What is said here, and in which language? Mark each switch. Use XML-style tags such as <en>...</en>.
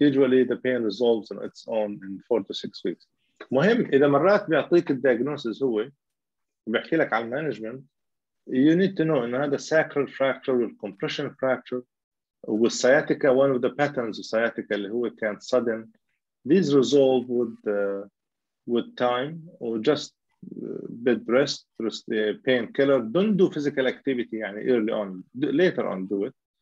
<en>Usually the pain resolves on its own in 4 to 6 weeks.</en> <ar>مهم إذا مرات بيعطيك الدياجنوسيس هو بيحكي لك على المانجمنت</ar> <en>you need to know the sacral fracture, the compression fracture, with sciatica, one of the patterns of sciatica, who can sudden, these resolve with time, or just bed rest, painkiller. Don't do physical activity early on, later on do it.</en>